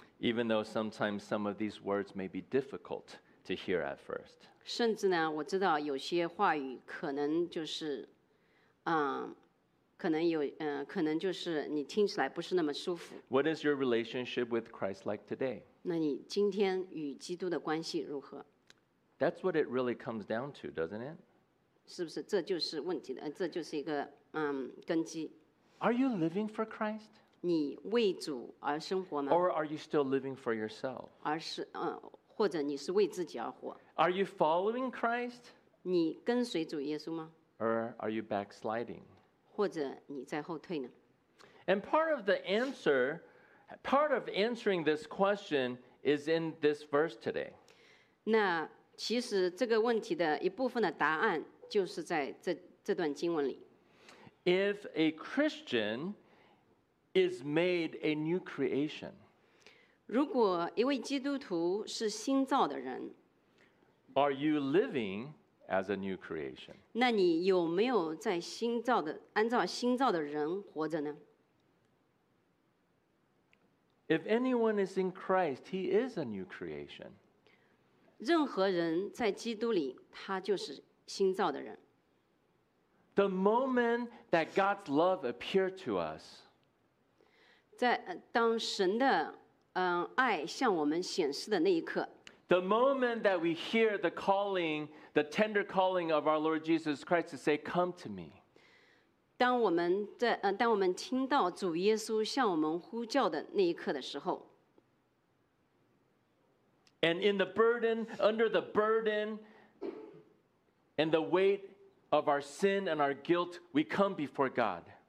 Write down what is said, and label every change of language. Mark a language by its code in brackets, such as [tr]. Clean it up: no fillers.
[en] Even though sometimes some of these words may be difficult to hear at first. [zh] 甚至呢，我知道有些话语可能就是，可能就是你听起来不是那么舒服。 [en] What is your relationship with Christ like today? [zh] 那你今天与基督的关系如何？ [en] That's what it really comes down to, doesn't it? [zh] 是不是这就是问题的？这就是一个根基。 [en] Are you living for Christ? [zh] 你为主而生活吗？ [en] Or are you still living for yourself? [zh] 或者你是为自己而活？ [en] Are you following Christ? [zh] 你跟随主耶稣吗？ [en] Or are you backsliding? [zh] 或者你在后退呢？ [en] And part of the answer, part of answering this question is in this verse today. [zh] 那其实这个问题的一部分的答案就是在 这段经文里。 [en] If a Christian is made a new creation, [zh] 如果一位基督徒是新造的人， [en] are you living as a new creation? [zh] 那你有没有在新造的按照新造的人活着呢？ [en] If anyone is in Christ, he is a new creation. [zh] 任何人在基督里，他就是新造的人。 [en] The moment that God's love appeared to us, [zh] 在当神的爱向我们显示的那一刻， [en] the moment that we hear the calling, the tender calling of our Lord Jesus Christ to say, "Come to me." [zh] 当我们听到主耶稣向我们呼叫的那一刻的时候， [en] and in the burden, under the burden, and the weight. Of our sin and our guilt, we come before God.